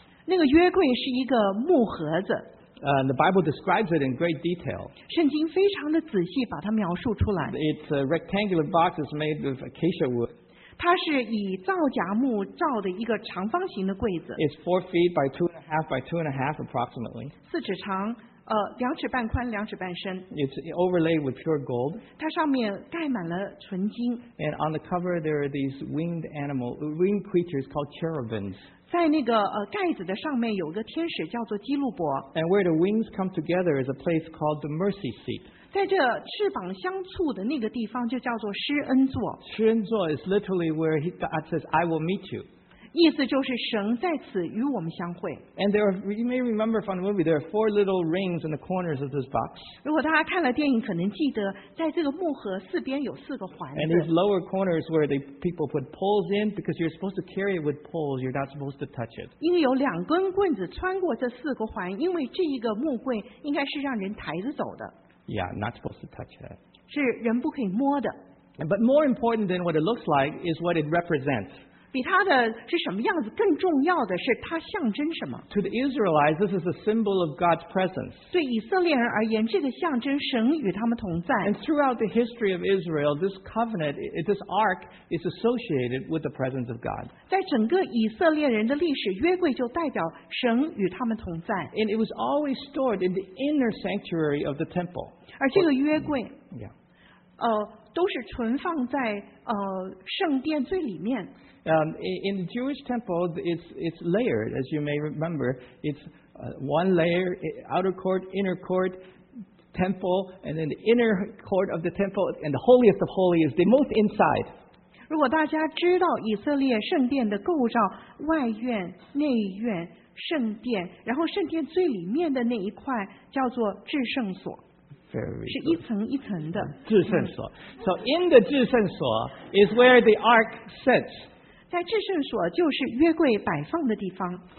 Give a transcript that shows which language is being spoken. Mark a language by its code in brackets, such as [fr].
[zh] 那个约柜是一个木盒子。 [en] And the Bible describes it in great detail. [zh] 圣经非常的仔细把它描述出来。 [en] It's a rectangular box is made of acacia wood. [zh] 它是以皂荚木造的一个长方形的柜子。 [en] It's 4 feet by 2.5 by 2.5 approximately. [zh] 四尺长。两尺半宽，两尺半深。 [en] It's overlaid with pure gold. [zh] 它上面盖满了纯金。 [en] And on the cover, there are these winged animals, winged creatures called cherubims. [zh] 在那个盖子的上面有个天使叫做基路伯。 [en] And where the wings come together is a place called the mercy seat. [zh] 在这翅膀相簇的那个地方就叫做施恩座。 [en] 施恩座 is literally where God says, "I will meet you." [zh] 意思就是神在此与我们相会。 [en] And there are, you may remember from the movie, there are 4 little rings in the corners of this box. [zh] 如果大家看了电影，可能记得在这个木盒四边有四个环子。 [en] And these lower corners where the people put poles in, because you're supposed to carry it with poles, you're not supposed to touch it. [zh] 因为有两根棍子穿过这四个环，因为这一个木柜应该是让人抬着走的。 [en] Yeah, not supposed to touch it. [zh] 是人不可以摸的。 [en] But more important than what it looks like is what it represents. [zh] 比它的是什么样子更重要的是它象征什么。 [en] To the Israelites, this is a symbol of God's presence. [zh] 对以色列人而言，这个象征神与他们同在。 [en] And throughout the history of Israel, this covenant, this ark is associated with the presence of God. [zh] 在整个以色列人的历史，约柜就代表神与他们同在。 [en] And it was always stored in the inner sanctuary of the temple. [zh] 而这个约柜，都是存放在圣殿最里面。 [en] In the Jewish temple, it's layered, as you may remember. It's one layer, outer court, inner court, temple, and then the inner court of the temple, and the holiest of holies, the most inside. [zh] 如果大家知道以色列圣殿的构造，外院、内院、圣殿，然后圣殿最里面的那一块叫做至圣所。是一层一层的。至圣所。 [en] So in the 至圣所 is where the ark sits. [zh] 在至圣所就是约柜摆放的地方。